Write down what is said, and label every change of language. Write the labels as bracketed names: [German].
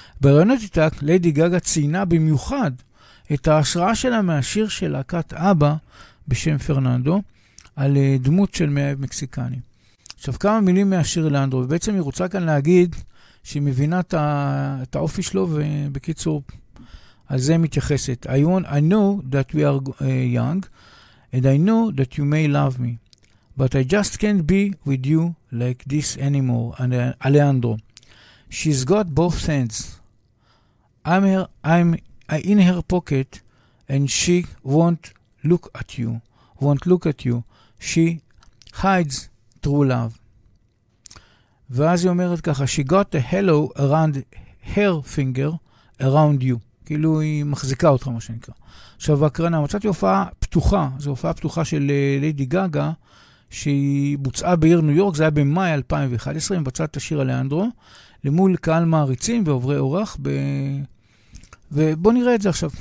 [Hebrew] בראיונות איתה, לידי גאגא ציינה במיוחד את ההשראה שלה מהשיר של להקת אבא בשם פרננדו, על דמות של מאהב מקסיקני. עכשיו, כמה מילים מהשיר אל אנדרו, ובעצם היא רוצה כאן להגיד שהיא מבינה את האופי שלו, ובקיצור, על זה מתייחסת. [English] I know that we are young, and I know that you may love me, but I just can't be with you like this anymore, and Alejandro. She's got both hands. I'm in her pocket, and she won't look at you. She hides true love. [Hebrew] ואז היא אומרת ככה, [English] she got a halo around her finger, around you. [Hebrew] כאילו היא מחזיקה אותך, מה שנקרא. עכשיו, הקרנה, מצאתי הופעה פתוחה, זו הופעה פתוחה של לידי גאגא, שהיא בוצעה בעיר ניו יורק, זה היה במאי 2011, היא מבצעת את השיר אלאנדרו, למול קהל מעריצים ועוברי אורח, ובואו נראה את זה עכשיו.